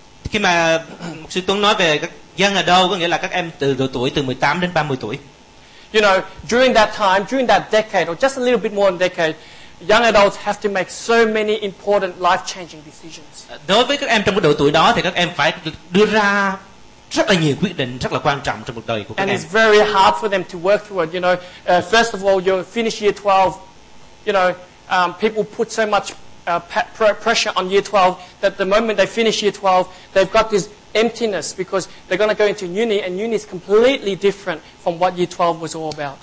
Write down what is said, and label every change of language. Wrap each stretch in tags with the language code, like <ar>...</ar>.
<vi>Khi mà sư Tuấn nói về các young adult, có nghĩa là các em từ độ tuổi từ 18 đến 30 tuổi.</vi> <en>You know, during that time, during that decade, or just a little bit more than a decade, young adults have to make so many important life-changing decisions.</en> <vi>Đối với các em trong cái độ tuổi đó thì các em phải đưa ra rất là nhiều quyết định rất là quan trọng trong cuộc đời của các</vi> <en>and And it's very hard for them to work through it. You know, first of all, you finish year 12. You know, people put so much pressure on year 12 that the moment they finish year 12, they've got this emptiness because they're going to go into uni and uni is completely different from what year 12 was all about.</en>